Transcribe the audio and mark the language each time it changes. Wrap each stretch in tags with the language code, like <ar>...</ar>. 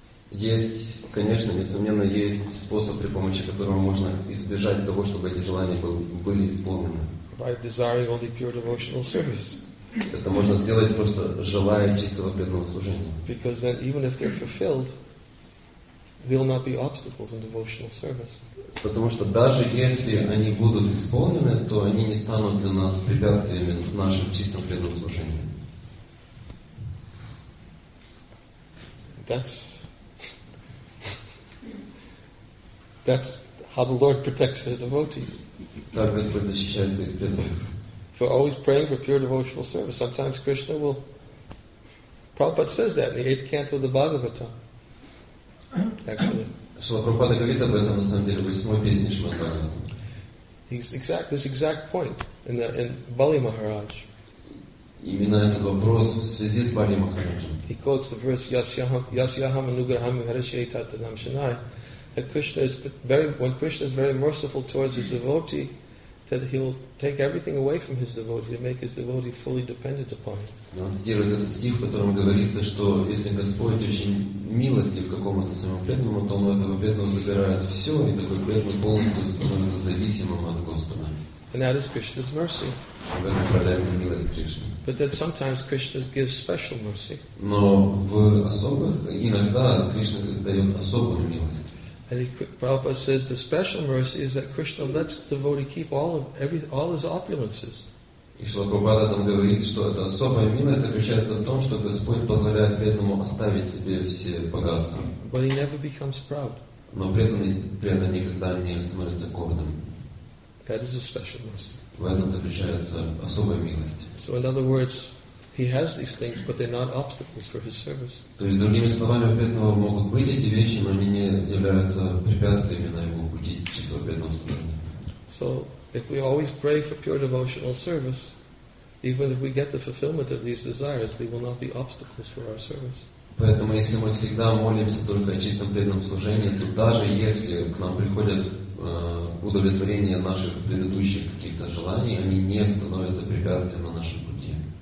<ru>Есть, конечно, несомненно, есть способ, при помощи которого можно избежать того, чтобы эти желания были исполнены.</ru> <en>By desiring only pure devotional service.</en> <ru>Это можно сделать просто желая чистого преданного служения.</ru> <en>Because then, even if they're fulfilled, there'll not be obstacles in devotional service.</en> <ru>Потому что даже если они будут исполнены, то они не станут для нас препятствиями в нашем чистом преданном служении.</ru> <en>That's how the Lord protects his devotees.</en> <ru>Так Господь защищает своих преданных.</ru> <en>If we're always praying for pure devotional service, sometimes Krishna will. Prabhupada says that in the 8th canto of the Bhagavatam.</en> <ru>Шрила Прабхупада говорит об этом на самом деле в 8-й песне Шримад Бхагаватам.</ru> <en>This exact point in Бали Махарадж.</en> <ru>Именно этот вопрос в связи с Бали Махараджем.</ru> <en>He quotes the verse</en> <sa>Yasyaham Anugraham Harishay Tatanam Shanai.</sa> <en>That Krishna is very merciful towards his devotee, that he will take everything away from his devotee to make his devotee fully dependent upon him.</en> <ru>Он цитирует этот стих, в котором говорится, что если Господь очень милостив какому-то своему преданному, то он у этого преданного забирает все, и такой преданный полностью становится зависимым от Господа.</ru> <en>And that is Krishna's mercy.</en> <ru>В этом проявляется милость Кришны.</ru> <en>But that sometimes Krishna gives special mercy.</en> <ru>Но в особых иногда Кришна дает особую милость.</ru> <en>And Prabhupada says the special mercy is that Krishna lets the devotee keep all his opulences.</en> <ru>И Шрила Прабхупада там говорит, что эта особая милость заключается в том, что Господь позволяет преданному оставить себе все богатства.</ru> <en>But he never becomes proud.</en> <ru>Но преданный никогда не становится гордым.</ru> <en>That is a special mercy.</en> <ru>В этом заключается особая милость.</ru> <en>So in other words, he has these things, but they're not obstacles for his service.</en> <ru>То есть, другими словами, у преданного могут быть эти вещи, но они не являются препятствиями на его пути чистого преданного служения.</ru> <en>So, if we always pray for pure devotional service, even if we get the fulfillment of these desires, they will not be obstacles for our service.</en> <ru>Поэтому, если мы всегда молимся только о чистом преданном служении, то даже если к нам приходят удовлетворение наших предыдущих каких-то желаний, они не становятся препятствием на нашем пути.</ru>